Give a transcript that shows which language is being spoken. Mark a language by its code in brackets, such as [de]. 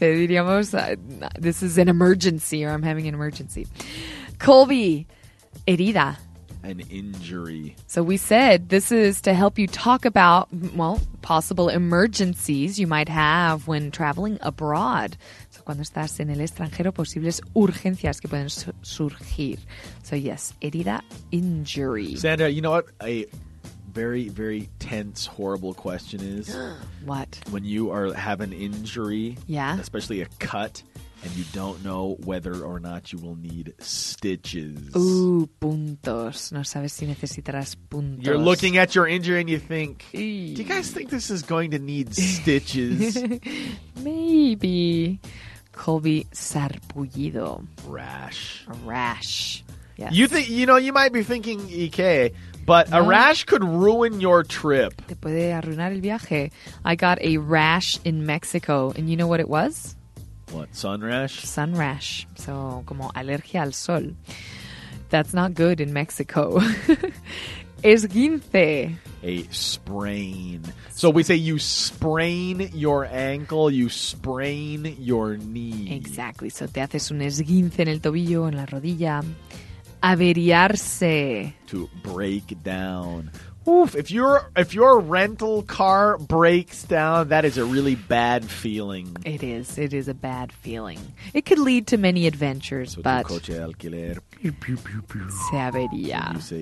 [es] Diríamos, [en] this is an emergency or I'm having an emergency. [es] Colby, herida. [en] An injury. So we said this is to help you talk about, well, possible emergencies you might have when traveling abroad. [es] So cuando estás en el extranjero, posibles urgencias que pueden surgir. [en] So yes, herida, injury. Sandra, you know what a very, very tense, horrible question is? What? When you are have an injury, yeah, especially a cut, and you don't know whether or not you will need stitches. [es] Ooh, puntos. No sabes si necesitarás puntos. [en] You're looking at your injury and you think, do you guys think this is going to need stitches? Maybe. Colby, sarpullido. Rash. A rash. Yes. You think, you know, you might be thinking, EK, but no. A rash could ruin your trip. [es] Te puede arruinar el viaje. [en] I got a rash in Mexico. And you know what it was? What, sun rash? Sun rash. So, [es] como alergia al sol. [en] That's not good in Mexico. [es] Esguince. [en] A sprain. So we say you sprain your ankle, you sprain your knee. Exactly. [es] So te haces un esguince en el tobillo, en la rodilla. Averiarse. [en] To break down. Oof, if your rental car breaks down, that is a really bad feeling. It is. It is a bad feeling. It could lead to many adventures, so but [es] tu coche alquiler. Se avería.